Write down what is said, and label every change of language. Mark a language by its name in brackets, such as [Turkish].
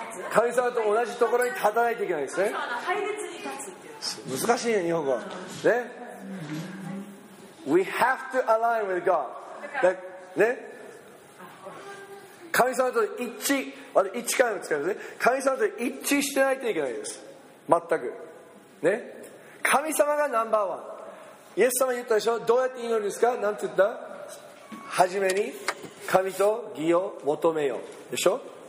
[Japanese] 神様と同じところに立たないといけないですね。神様の配列に立つっていう、難しいね日本語ね。 [English] We have to align with God。 [Japanese] だね、神様と一致、あれ一致感を使うんですね。神様と一致してないといけないです、全くね。神様がナンバーワン、イエス様言ったでしょ、どうやって祈るんですか、なんて言った、はじめに神と義を求めよう、でしょ。